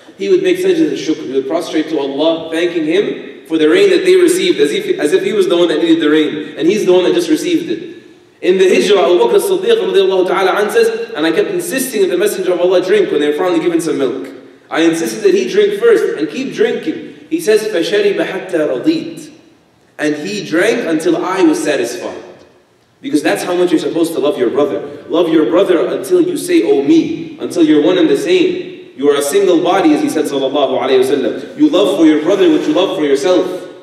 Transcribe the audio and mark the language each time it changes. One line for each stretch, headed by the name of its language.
English: He would make sajda and shukr. He would prostrate to Allah, thanking him for the rain that they received, as if he was the one that needed the rain, and he's the one that just received it. In the Hijrah, Abu Bakr as-Siddiq radiallahu ta'ala an says, and I kept insisting that the Messenger of Allah drink when they were finally given some milk. I insisted that he drink first and keep drinking. He says,
Arabic: فَشَرِبَ حَتَّى رَضِيتْ.
English: And he drank until I was satisfied. Because that's how much you're supposed to love your brother. Love your brother until you say, oh me, until you're one and the same. You are a single body, as he said, sallallahu alayhi wa sallam. You love for your brother what you love for yourself.